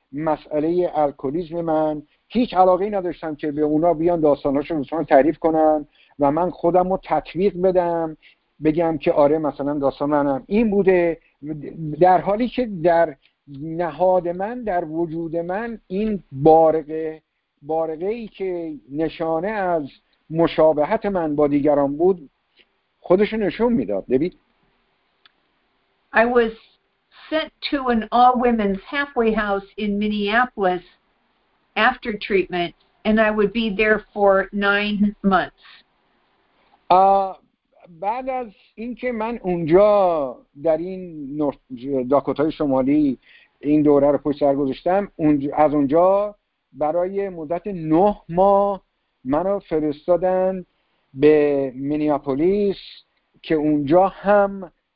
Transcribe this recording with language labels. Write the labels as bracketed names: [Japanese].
[Persian] مسئله الکلیسم من هیچ علاقه ای نداشتم که به اونا بیان داستاناشو مثلا تعریف کنن و من خودم رو تطویق بدم بگم که آره مثلا داستان منم این بوده، در حالی که در نهاد من، در وجود من این بارقه‌ای که نشانه از مشابهت من با دیگران بود خودشو نشون میداد. ببین [English] I was sent to an all women's halfway house in Minneapolis after treatment and I would be there for 9 months. [Persian] بعد از اینکه من اونجا در این داکوتای شمالی این دوره رو پشت سر گذاشتم، از اونجا برای مدت 9 ماه من رو فرستادن به مینیاپولیس که اونجا هم